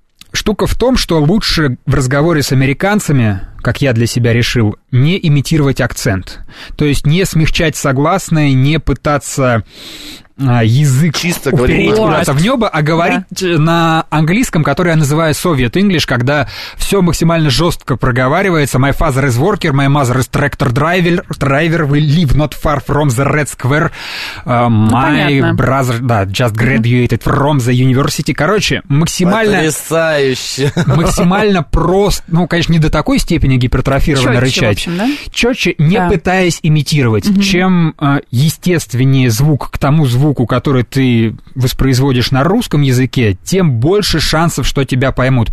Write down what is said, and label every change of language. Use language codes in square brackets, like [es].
[ru] Штука в том, что лучше в разговоре с американцами, как я для себя решил, не имитировать акцент. То есть не смягчать согласные, не пытаться язык чисто упереть куда-то в небо, а говорить на английском, который я называю Soviet English, когда все максимально жестко проговаривается. [en] My father is worker, my mother is tractor driver, we live not far from the Red Square. My brother, да, just graduated from the university. [ru] Короче, максимально... Потрясающе! Максимально просто, ну, конечно, не до такой степени гипертрофированно рычать. Чётче, в общем, да? Чётче, не пытаясь имитировать. Чем естественнее звук к тому звуку, который ты воспроизводишь на русском языке, тем больше шансов, что тебя поймут.